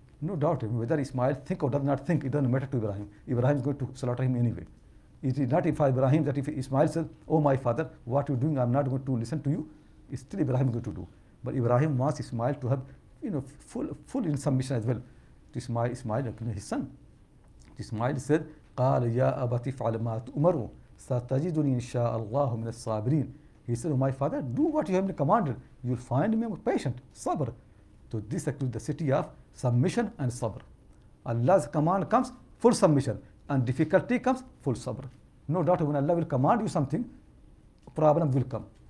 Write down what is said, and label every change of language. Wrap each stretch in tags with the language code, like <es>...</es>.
<en>No doubt whether Ismail think or does not think, it doesn't matter to Ibrahim. Ibrahim is going to slaughter him anyway. It is not if Ibrahim, that if Ismail says, oh my father, what are you doing? I am not going to listen to you. It's still Ibrahim is going to do. But Ibrahim wants Ismail to have, you know, full in submission as well. Ismail, his son. Ismail said,</en> <ar>قال يا أبتي فعل ما تؤمره ستجدني إن شاء الله من الصابرين.</ar> <en>He said, oh my father, do what you have been commanded. You'll find me patient, sabr. So this includes the city of submission and sabr. Allah's command comes, full submission. And difficulty comes, full sabr. No doubt when Allah will command you something, problem will come.</en>